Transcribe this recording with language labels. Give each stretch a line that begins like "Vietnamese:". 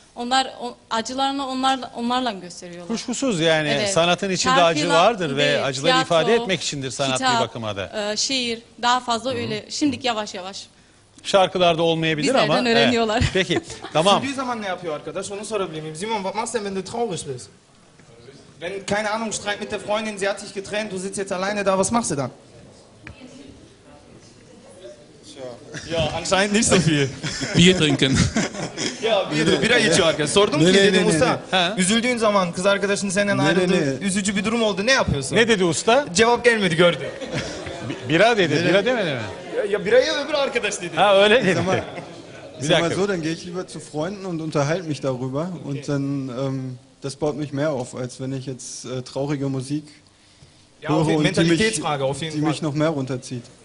Turkish: Onlar acılarını onlarla gösteriyorlar. Kuşkusuz yani evet. Sanatın içinde şarkılar, acı vardır ve tiyatro, acıları ifade etmek içindir sanat kitap, bir bakıma da. Şiir daha fazla hı-hı. Öyle. Şimdilik yavaş yavaş. Şarkılarda olmayabilir bizlerden ama. Bizlerden öğreniyorlar. Evet. Peki tamam. Üzüldüğü zaman ne yapıyor arkadaş onu sorabilir miyim?
German: Simon, was machst du, wenn du traurig bist? Wenn, keine Ahnung, Streit mit der Freundin, sie hat sich getrennt, du sitzt jetzt alleine da, was machst du dann? Ja, anscheinend nicht so viel. Bier trinken.
Turkish: Ja, Bira içiyor arkadaş. Sordum ki dedim usta. Üzüldüğün zaman kız arkadaşın senden ayrıldı. Üzücü bir durum oldu. Ne yapıyorsun? Ne dedi usta? Cevap gelmedi gördü. Bira dedi. Bira demedi mi? Ya birayı öbür arkadaş dedi. Ha öyle dedi. Bir dakika.
German: So, dann gehe ich lieber zu Freunden und unterhalte mich darüber. Und dann, das baut mich mehr auf, als wenn ich jetzt traurige Musik höre und die mich noch mehr runterzieht.